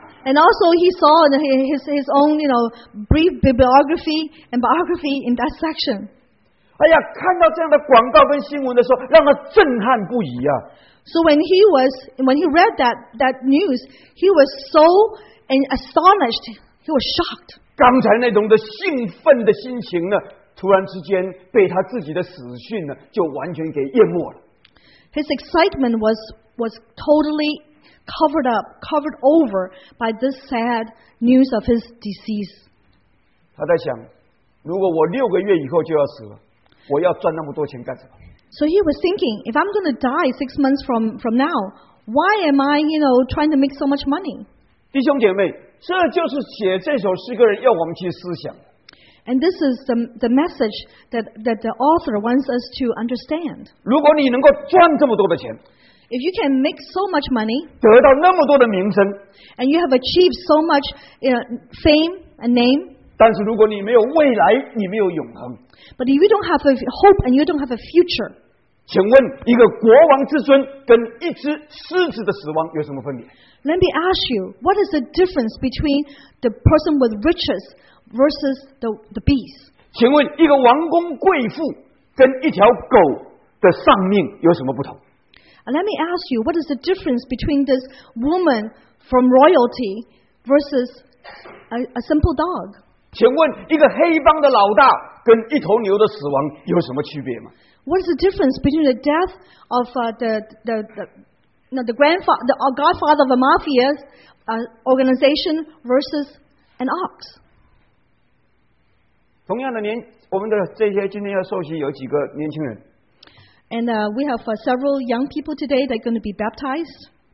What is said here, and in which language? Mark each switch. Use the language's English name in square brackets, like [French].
[English] And also, he saw his own, you know, brief bibliography and biography in that section. [Chinese] 哎呀，看到这样的广告跟新闻的时候，让他震撼不已啊！ [English] So when he read that news, he was so astonished. He was shocked. [Chinese] 刚才那种的兴奋的心情呢，突然之间被他自己的死讯呢，就完全给淹没了。 [English] His excitement was totally. Covered over by this sad news of his decease. [Chinese] 他在想，如果我六个月以后就要死了，我要赚那么多钱干什么？ [English] So he was thinking, if I'm going to die 6 months from now, why am I, you know, trying to make so much money? [Chinese] 弟兄姐妹，这就是写这首诗歌人要我们去思想。 [English] And this is the message that the author wants us to understand. [Chinese] 如果你能够赚这么多的钱。 [English] If you can make so much money, [Chinese] 得到那么多的名声, [English] and you have achieved so much, you know, fame and name, [Chinese] 但是如果你没有未来, 你没有永恒, [English] but if you don't have a hope and you don't have a future, [Chinese] 请问一个国王之尊跟一只狮子的死亡有什么分别? [English] Let me ask you, what is the difference between the person with riches versus the beast? [Chinese] 请问一个王公贵妇跟一条狗的丧命有什么不同? [English] Let me ask you, what is the difference between this woman from royalty versus a simple dog? [Chinese] 请问一个黑帮的老大跟一头牛的死亡有什么区别吗？ [English] What is the difference between the death of the godfather of a mafia organization versus an ox? [Chinese] 同样的年，我们的这些今天要受洗有几个年轻人。 [English] And we have several young people today that are going to be baptized.